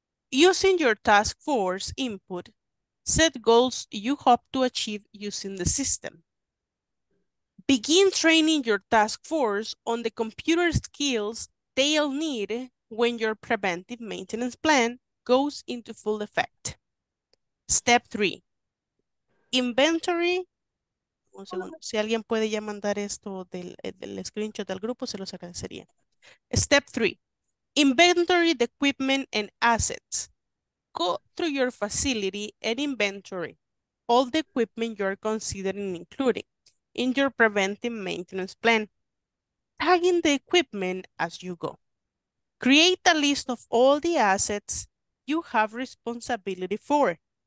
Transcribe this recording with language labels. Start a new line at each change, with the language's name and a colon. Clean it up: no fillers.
English: Using your task force input, set goals you hope to achieve using the system. Begin training your task force on the computer skills they'll need when your preventive maintenance plan goes into full effect. Step three, inventory.
Spanish: Un segundo. Si alguien puede ya mandar esto del screenshot al grupo, se los agradecería.
English: Step three, inventory the equipment and assets. Go through your facility and inventory all the equipment you're considering including in your preventive maintenance plan, tagging the equipment as you go. Create a list of all the assets you have responsibility for.